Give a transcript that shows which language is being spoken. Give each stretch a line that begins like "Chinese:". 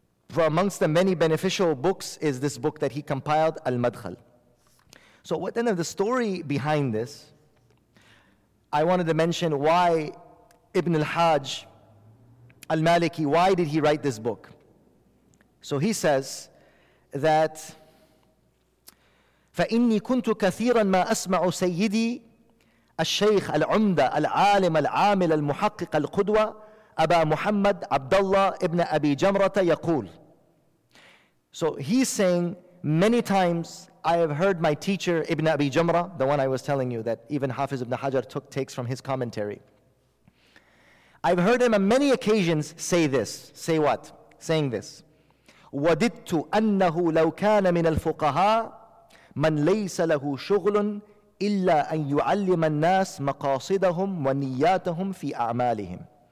English: From amongst the many beneficial books is this book that he compiled, Al-Madkhal. So what then of the story behind this? I wanted to mention why Ibn al-Hajj al-Maliki, why did he write this book? So he says that
Arabic: فَإِنِّي كُنْتُ كَثِيرًا مَا أَسْمَعُ سَيِّدِي الشَّيْخَ الْعُمْدَ الْعَالِمَ الْعَامِلَ الْمُحَقِّقَ الْقُدْوَى أَبَا مُحَمَّدْ عَبْدَ اللَّهِ إِبْنَ أَبِي جَمْرَةَ يَقُولُ.
English: So he's saying, many times I have heard my teacher Ibn Abi Jamra, the one I was telling you that even Hafiz ibn Hajar takes from his commentary. I've heard him on many occasions say this. Say what? Saying this.
Arabic: وَدِدْتُ أَنَّهُ لَوْ كَانَ مِنَ الْفُقَهَا مَنْ لَيْسَ لَهُ شُغْلٌ إِلَّا أَنْ يُعَلِّمَ النَّاسَ مَقَاصِدَهُمْ وَنِيَّاتَهُمْ فِي أَعْمَالِهِمْ.